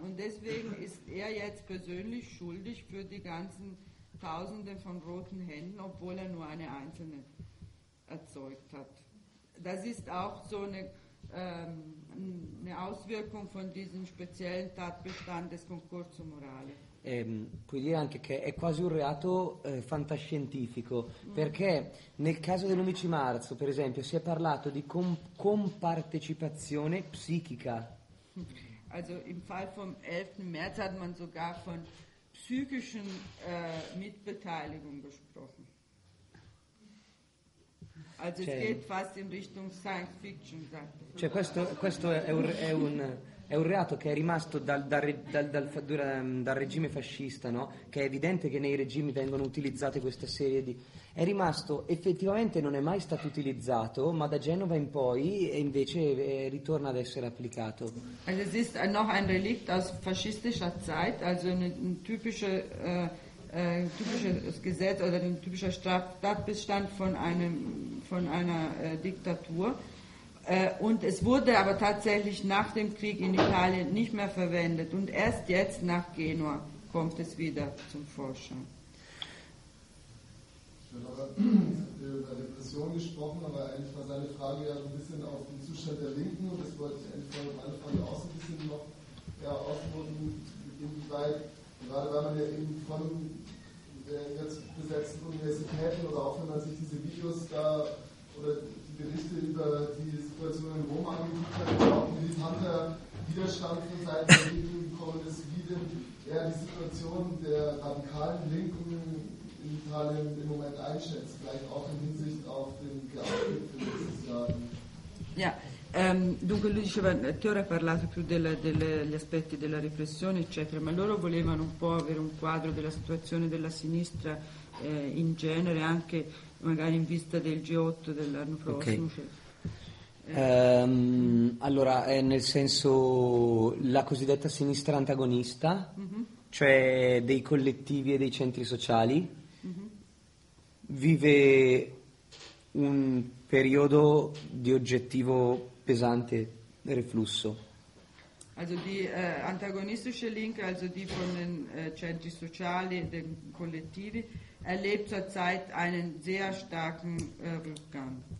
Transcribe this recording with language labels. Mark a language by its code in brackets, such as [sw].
[de] Und deswegen ist er jetzt persönlich schuldig für die ganzen Tausende von roten Händen, obwohl er nur eine einzelne erzeugt hat. Das ist auch so eine Auswirkung von diesem speziellen Tatbestand des Concorso Morale. [it] Puoi dire anche che è quasi un reato fantascientifico, perché nel caso dell'11 marzo, per esempio, si è parlato di compartecipazione psichica. [de] Also im Fall vom 11. März hat man sogar von psychischen Mitbeteiligung gesprochen. Also cioè, es geht fast in Richtung Science Fiction, sagt. [it] Cioè questo è un reato che è rimasto dal regime fascista, no? Che è evidente che nei regimi vengono utilizzate questa serie di... È rimasto, effettivamente non è mai stato utilizzato, ma da Genova in poi invece ritorna ad essere applicato. [de] Also es ist noch ein Relikt aus faschistischer Zeit, also ein typischer... ein typisches Gesetz oder ein typischer Tatbestand von einer Diktatur. Und es wurde aber tatsächlich nach dem Krieg in Italien nicht mehr verwendet. Und erst jetzt nach Genua kommt es wieder zum Vorschein. Ich habe gerade über Depression gesprochen, aber eigentlich war seine Frage ja ein bisschen auf den Zustand der Linken. Und das wollte ich eigentlich vor dem Anfang auch so ein bisschen noch ausloten, inwieweit. Gerade weil man ja eben von der jetzt besetzten Universitäten oder auch wenn man sich diese Videos da oder die Berichte über die Situation in Rom angeguckt hat, auch ein militanter Widerstand von Seiten der Linken gekommen ist, wie denn er die Situation der radikalen Linken in Italien im Moment einschätzt, vielleicht auch in Hinsicht auf den Gleichgewicht des Islam. Ja. [it] Dunque lui diceva, Teore ha parlato più degli aspetti della repressione eccetera, ma loro volevano un po' avere un quadro della situazione della sinistra in genere, anche magari in vista del G8 dell'anno prossimo. Okay. Allora è nel senso la cosiddetta sinistra antagonista, cioè dei collettivi e dei centri sociali, vive un periodo di oggettivo pesante reflusso. [de] Also die antagonistische Linke, also die von den centri sociali, den collettivi, erlebt zurzeit einen sehr starken Rückgang.